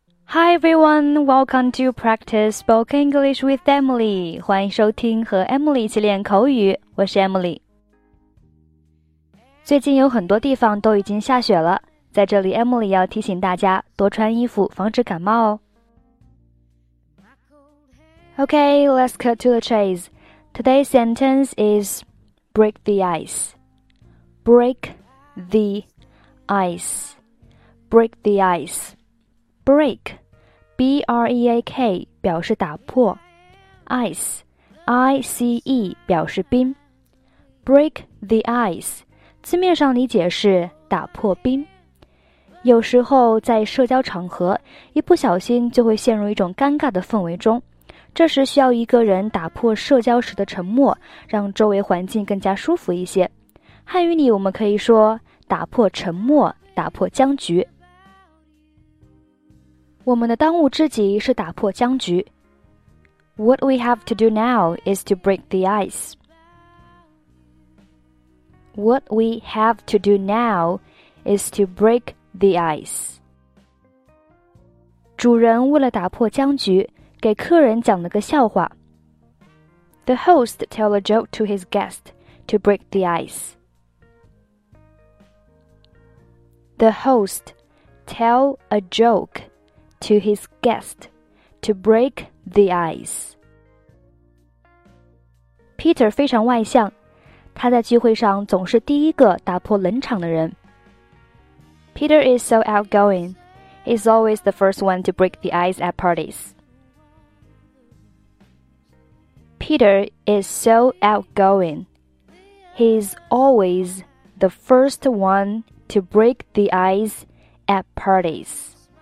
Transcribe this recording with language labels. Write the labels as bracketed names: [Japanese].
[English] Hi everyone, welcome to Practice Spoken English with Emily. [Chinese] 欢迎收听和 Emily 一起练口语，我是 Emily。最近有很多地方都已经下雪了，在这里 Emily 要提醒大家多穿衣服，防止感冒哦。 [English] Okay, let's cut to the chase. Today's sentence is break the ice. Break the ice. Break the ice. Break. [Chinese] BREAK 表示打破 ice,ICE 表示冰 [English] break the ice, [Chinese] 字面上理解是打破冰。有时候在社交场合一不小心就会陷入一种尴尬的氛围中，这时需要一个人打破社交时的沉默，让周围环境更加舒服一些。汉语里我们可以说打破沉默，打破僵局。我们的当务之急是打破僵局。 [English] What we have to do now is to break the ice. What we have to do now is to break the ice. [Chinese] 主人为了打破僵局，给客人讲了个笑话。 [English] The host tell a joke to his guest to break the ice. The host tell a joke. To his guest, to break the ice. [Chinese] Peter 非常外向，他在聚会上总是第一个打破冷场的人。 [English] Peter is so outgoing, he's always the first one to break the ice at parties. Peter is so outgoing, he's always the first one to break the ice at parties.